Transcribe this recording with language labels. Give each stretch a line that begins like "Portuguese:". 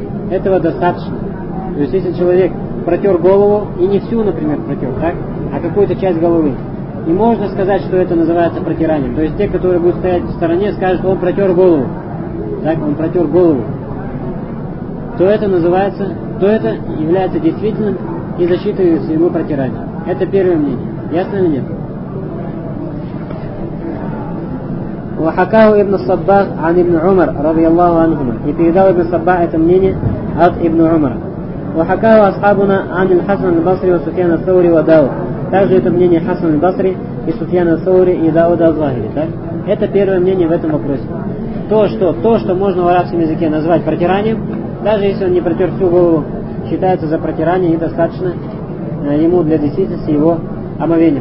Russian: этого достаточно то есть если человек протер голову и не всю например протер так а какую-то часть головы и можно сказать что это называется протиранием то есть те которые будут стоять в стороне скажут он протер голову так он протер голову то это называется, то это является действительным и засчитывается ему протирание. Это первое мнение. Ясно ли нет?
Arabic: وحكاه ابن الصباح عن ابن عمر رضي الله عنهما.
Russian: И передал ابن الصباح это мнение от ابن عمر.
Arabic: وحكاه أصحابنا عن الحسن البصري وسفيان الثوري وداود.
Russian: Также это мнение Хасан аль-Басри и Суфьяна ас-Саури и Дауда аз-Захири. Так? Это первое мнение в этом вопросе. То, что можно в арабском языке назвать протиранием. Даже если он не протер всю голову, считается за протирание и достаточно ему для действительности его омовения.